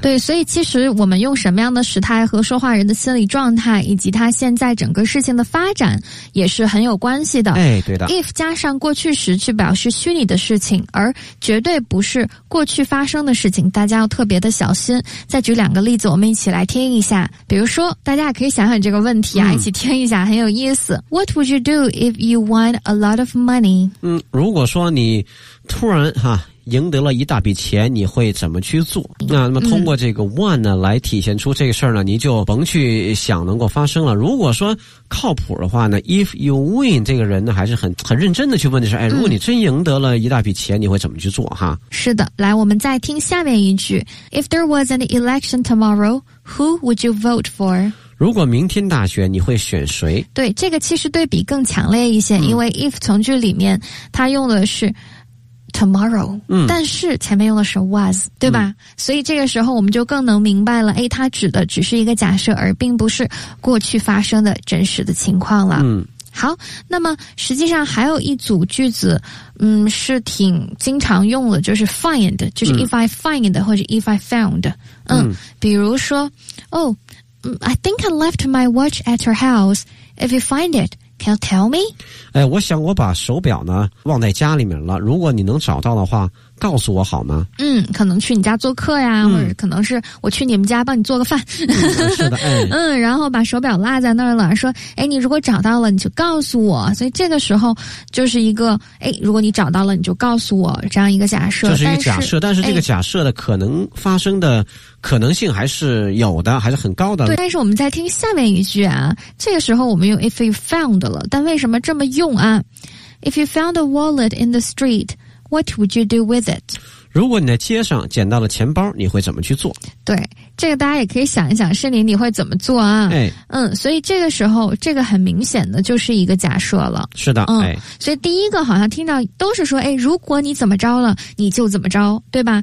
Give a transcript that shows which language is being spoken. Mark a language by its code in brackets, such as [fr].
[zh] 对，所以其实我们用什么样的时态和说话人的心理状态以及他现在整个事情的发展也是很有关系的。哎，对的。 if 加上过去时去表示虚拟的事情，而绝对不是过去发生的事情，大家要特别的小心。再举两个例子我们一起来听一下。比如说大家可以想想这个问题啊，一起听一下，很有意思。 [en] What would you do if you won a lot of money？ [zh] 嗯，如果说你突然哈赢得了一大笔钱，你会怎么去做？那么通过这个 won 呢，来体现出这个事儿呢，你就甭去想能够发生了。如果说靠谱的话呢 ， [en] if you win， [zh] 这个人呢还是很认真的去问的是，哎，如果你真赢得了一大笔钱，你会怎么去做？哈，是的，来，我们再听下面一句。 [en] If there was an election tomorrow, who would you vote for？ [zh] 如果明天大选，你会选谁？对，这个其实对比更强烈一些，因为 if 从句里面它用的是 tomorrow， 但是前面用的是 was， 对吧？所以这个时候我们就更能明白了，哎，它指的只是一个假设，而并不是过去发生的真实的情况了。嗯，好，那么实际上还有一组句子，是挺经常用的，就是 find， 就是 [en] if I find [zh] 或者 [en] if I found， [zh] 比如说，哦。 [en] I think I left my watch at her house. If you find it, can you tell me? [zh] 哎，我想我把手表呢忘在家里面了。如果你能找到的话，告诉我好吗？可能去你家做客呀，或者可能是我去你们家帮你做个饭。是的，哎。然后把手表落在那儿了，说，哎，你如果找到了，你就告诉我。所以这个时候就是一个，哎，如果你找到了，你就告诉我这样一个假设。这是一个假设，但是这个假设的可能发生的。可能性还是有的，还是很高的。对，但是我们再听下面一句啊，这个时候我们用 [en] if you found [zh] 了，但为什么这么用啊？ [en] If you found a wallet in the street, what would you do with it? [zh] 如果你在街上捡到了钱包，你会怎么去做？对，这个大家也可以想一想，是你会怎么做啊、哎、嗯，所以这个时候这个很明显的就是一个假设了，是的、嗯哎、所以第一个好像听到都是说、哎、如果你怎么着了你就怎么着，对吧、